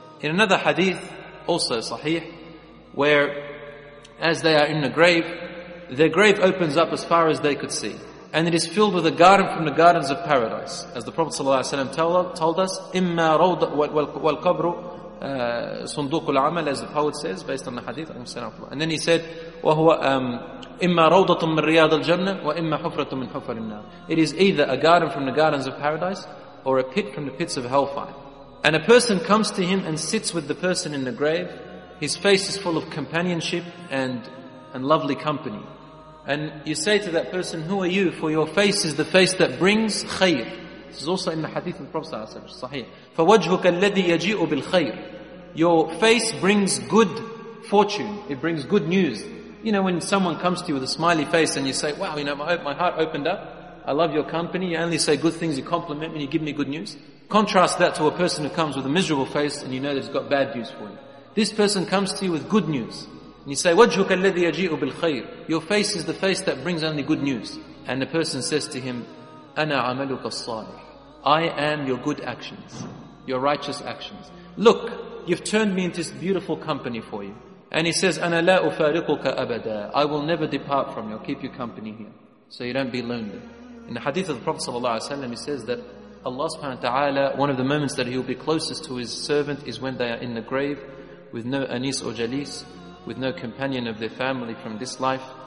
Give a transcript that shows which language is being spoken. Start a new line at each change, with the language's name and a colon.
English: In another hadith, also sahih, where as they are in the grave, their grave opens up as far as they could see. And it is filled with a garden from the gardens of paradise. As the Prophet ﷺ told us,
Arabic: إِمَّا رَوْضَ وَالْقَبْرُ صُنْدُوقُ الْعَمَلِ,
English: as the poet says, based on the hadith. And then he said,
Arabic: وَهُوَ إِمَّا رَوْضَةٌ مِّن رِيَاضِ الْجَنَّةِ وَإِمَّا حُفْرَةٌ مِّن حُفَرِ النَّارِ.
English: It is either a garden from the gardens of paradise or a pit from the pits of hellfire. And a person comes to him and sits with the person in the grave. His face is full of companionship and lovely company. And you say to that person, who are you? For your face is the face that brings khayr. This is also in the hadith of the Prophet ﷺ, sahih.
Arabic: فَوَجْهُكَ الَّذِي يَجِئُ بِالْخَيْرِ.
English: Your face brings good fortune. It brings good news. You know, when someone comes to you with a smiley face and you say, wow, you know, my heart opened up. I love your company. You only say good things. You compliment me. You give me good news. Contrast that to a person who comes with a miserable face and you know that he's got bad news for you. This person comes to you with good news. And you say,
Arabic: وَجْهُكَ الَّذِي يَجِئُ بِالْخَيْرِ.
English: Your face is the face that brings only good news. And the person says to him,
Arabic: أَنَا عَمَلُكَ الصَّالِحِ.
English: I am your good actions, your righteous actions. Look, you've turned me into this beautiful company for you. And he says,
Arabic: أَنَا لَا أُفَارِقُكَ أَبَدًا.
English: I will never depart from you. I'll keep you company here. So you don't be lonely. In the hadith of the Prophet ﷺ, he says that Allah subhanahu wa ta'ala, one of the moments that he will be closest to his servant is when they are in the grave with no anis or jalis, with no companion of their family from this life.